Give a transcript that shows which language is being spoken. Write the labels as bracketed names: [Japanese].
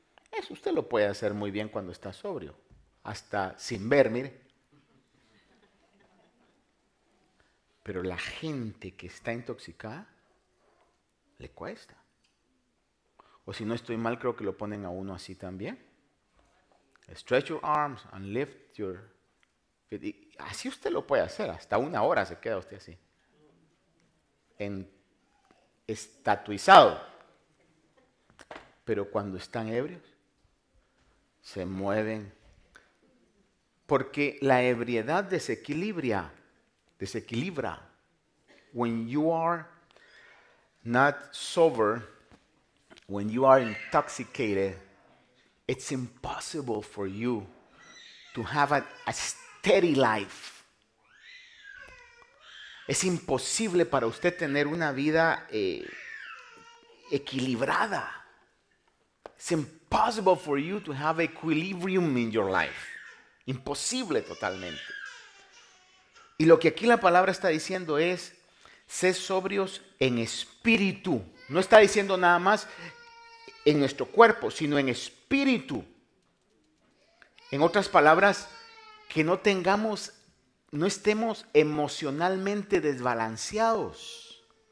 [Spanish] Eso usted lo puede hacer muy bien cuando está sobrio. Hasta sin ver, mire. Pero la gente que está intoxicada, le cuesta. O si no estoy mal, creo que lo ponen a uno así también. [English] Stretch your arms and lift your feet. [Spanish] Y así usted lo puede hacer. Hasta una hora se queda usted así. Estatuizado. Pero cuando están ebrios, se mueven. Porque la ebriedad desequilibra. Desequilibra. [English] When you are not sober, when you are intoxicated, it's impossible for you to have a steady life. [Spanish] Es imposible para usted tener una vida equilibrada. [English] It's impossible for you to have equilibrium in your life. [Spanish] Imposible totalmente. Y lo que aquí la palabra está diciendo es, sé sobrios en espíritu. No está diciendo nada más en nuestro cuerpo, sino en espíritu. En otras palabras, que no tengamos, no estemos emocionalmente desbalanceados.